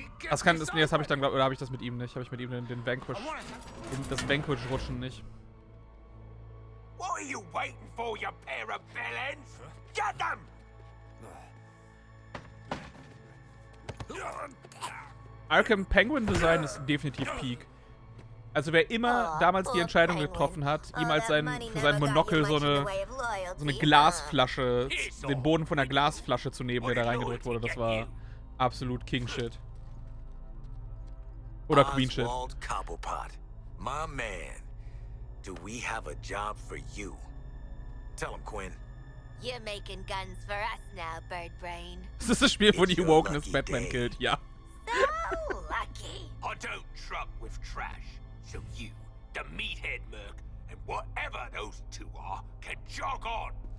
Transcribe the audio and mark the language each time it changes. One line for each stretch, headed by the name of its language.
German: Das kann das, nee, das habe ich dann, glaube, oder habe ich das mit ihm nicht? Habe ich mit ihm den Vanquish, das Vanquish rutschen nicht.
English: What are you waiting for, you pair of villains? Get them!
German: Arkham Penguin Design ist definitiv Peak. Also wer immer damals die Entscheidung getroffen hat, ihm als sein, für sein Monokel so eine Glasflasche, den Boden von der Glasflasche zu nehmen, der da reingedrückt wurde, das war absolut King-Shit. Oder Queen-Shit.
English: Oswald Cobblepot, my man, do we have a job for you? Tell him, Quinn. You're making guns for us now, Birdbrain.
German: Das ist das Spiel, wo die Wokeness Batman killt, ja.
English: So lucky. I don't truck with trash. So you, the meathead merc, and whatever those two are, can jog on.